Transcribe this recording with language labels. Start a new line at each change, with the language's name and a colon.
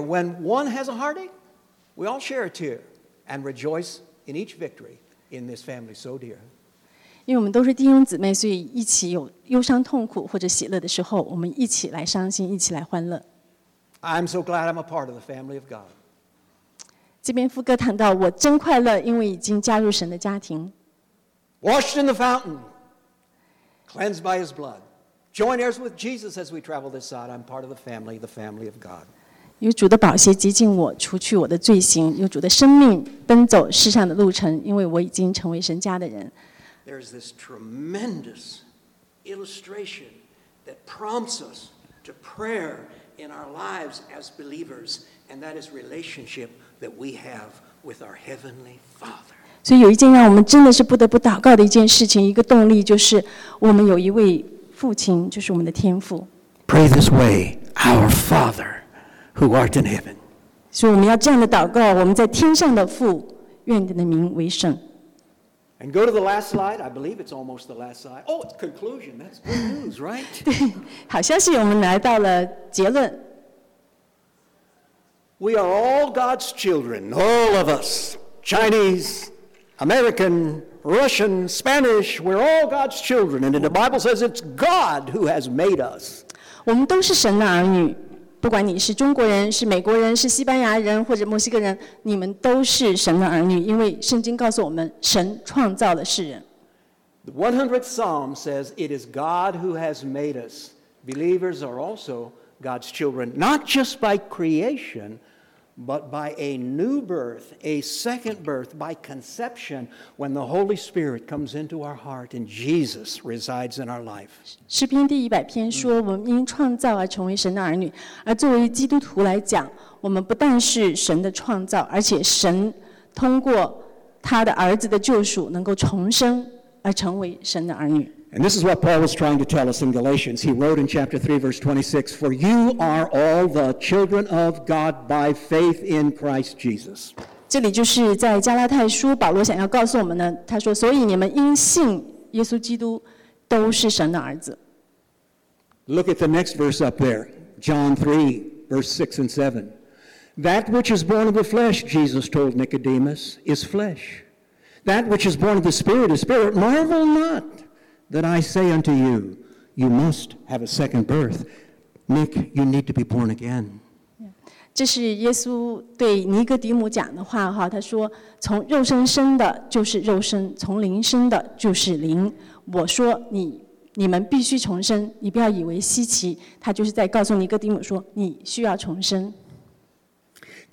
English: When one has a heartache. We all share a tear and rejoice in each victory in this family so dear.
Chinese: 因为我们都是弟兄姊妹，所以一起有忧伤痛苦或者喜乐的时候，我们一起来伤心，一起来欢乐。
English: I'm so glad I'm a part of the family of God.
Chinese: 这边副歌谈到，我真快乐，因为已经加入神的家庭。
English: Washed in the fountain, cleansed by His blood, joint heirs with Jesus as we travel this side. I'm part of the family of God.
Chinese: 有主的宝血洁净我，除去我的罪行，有主的生命奔走世上的路程，因为我已经成为神家的人。
English: There's this tremendous illustration that prompts us to prayer in our lives as believers, and that is relationship that we have with our heavenly Father.
Chinese: 所以有一件让我们真的是不得不祷告的一件事情，一个动力就是我们有一位父亲，就是我们的天父。
English: Pray this way, our Father. Who art in heaven.
Chinese: 所以我们要这样的祷告，我们在天上的父，愿你的名为圣。
English: And go to the last slide. I believe it's almost the last slide. Oh, it's conclusion. That's good news, right?
Chinese: 对，好消息，我们来到了结论。
English: We are all God's children, all of us, Chinese, American, Russian, Spanish, we're all God's children. And the Bible says it's God who has made us.
Chinese: 我们都是神的儿女，不管你是中国人，是美国人，是西班牙人，或者墨西哥人，你们都是神的儿女，因为圣经告诉我们，神创造了世人。
English: The 100th Psalm says, it is God who has made us. Believers are also God's children, not just by creation, but by a new birth, a second birth, by conception, when the Holy Spirit comes into our heart and Jesus resides in our life.
Chinese: 诗篇第100篇说，我们因创造而成为神的儿女，而作为基督徒来讲，我们不但是神的创造，而且神通过他的儿子的救赎能够重生。
English: And this is what Paul was trying to tell us in Galatians. He wrote in chapter 3, verse 26, For you are all the children of God by faith in Christ Jesus.
Chinese: 这里就是在加拉太书保罗想要告诉我们的，他说，所以你们因信耶稣基督都是神的儿子。
English: Look at the next verse up there, John 3, verse 6 and 7. That which is born of the flesh, Jesus told Nicodemus, is flesh. That which is born of the Spirit is spirit. Marvel not that I say unto you, you must have a second birth. Nick, you need to be born again.
Chinese: 这是耶稣对尼哥底母讲的话哈，他说：“从肉身生的就是肉身，从灵生的就是灵。我说你们必须重生，你不要以为稀奇。” 他就是在告诉尼哥底母说：“你需要重生。”